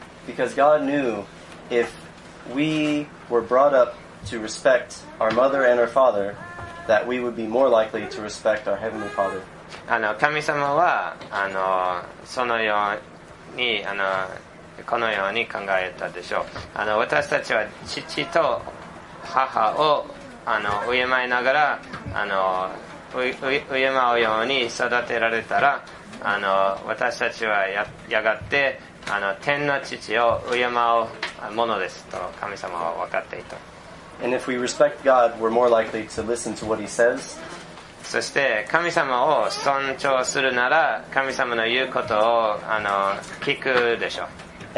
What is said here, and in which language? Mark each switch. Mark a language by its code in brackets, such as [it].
[en] Because God knew if we were brought up to respect our mother and our father,That we would be more likely to respect our heavenly Father. [ja] 神様はそのようにこのように考えたでしょう。私たちは父と母を敬いながら敬うように育てられたら私たちはやがて天の父を敬うものですと神様は分かっていた。 [en] And if we respect God, we're more likely to listen to what He says. [ja] そして神様を尊重するなら、神様の言うことを聞くでしょう。